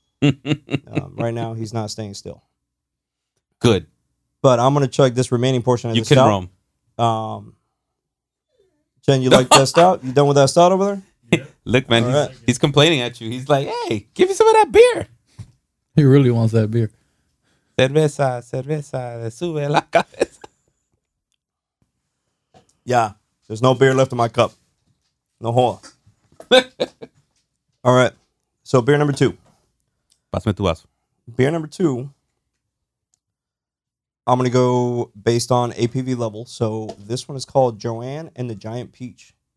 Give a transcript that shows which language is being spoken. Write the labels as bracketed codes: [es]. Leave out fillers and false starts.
[en] right now, he's not staying still. Good. But I'm going to chug this remaining portion of you the stout. You can roam. Chen, you like that stout? You done with that stout over there? Yeah. Look, man, he's complaining at you. He's like, hey, give me some of that beer. He really wants that beer. [es] Cerveza, cerveza, sube la cabeza. [en] Yeah, there's no beer left in my cup. No hole. All right, so beer number two. [es] Pásame tu vaso. [en] Beer number two. I'm going to go based on APV level. So this one is called Joanne and the Giant Peach.